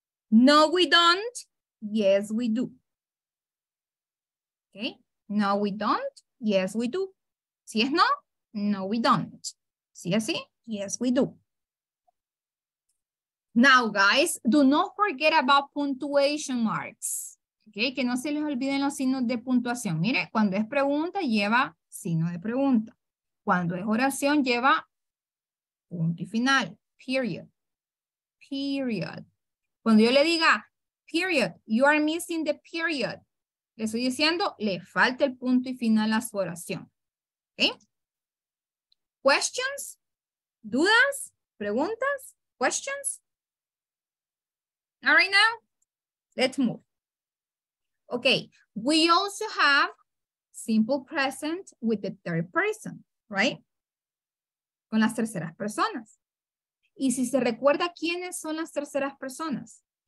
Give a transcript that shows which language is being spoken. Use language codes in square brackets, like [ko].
[en] No, we don't. Yes, we do. Okay. No, we don't. Yes, we do. [es] Si es no, [en] no, we don't. [es] Si es sí, [en] yes, we do. Now, guys, do not forget about punctuation marks. [es] Okay, que no se les olviden los signos de puntuación. Mire, cuando es pregunta, lleva signo de pregunta. Cuando es oración, lleva punto y final. [en] Period. Period. [es] Cuando yo le diga, [en] period, you are missing the period. [es] Le estoy diciendo, le falta el punto y final a su oración. [en] Okay. Questions? [es] Dudas? Preguntas? [en] Questions? All right now, let's move. Okay, we also have simple present with the third person, right? [es] Con las terceras personas. Y si se recuerda, ¿quiénes son las terceras personas?